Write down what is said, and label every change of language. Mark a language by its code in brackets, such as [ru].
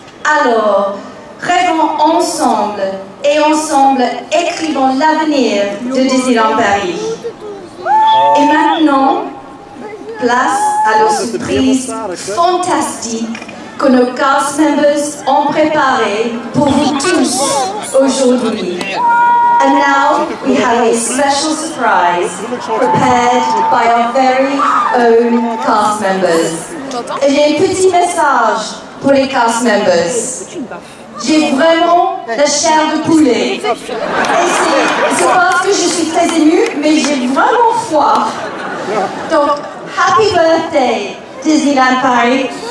[fr] Alors, rêvons ensemble et ensemble écrivons l'avenir de Disneyland Paris. Et maintenant, place à nos surprises fantastiques que nos cast members ont préparées pour vous tous aujourd'hui. [en] And now we have a special surprise prepared by our very own cast members. [fr] Et j'ai un petit message pour les cast members. J'ai vraiment la chair de poulet. Et c'est parce que je suis très émue, mais j'ai vraiment froid. [en] Donc, happy birthday, Disneyland Paris.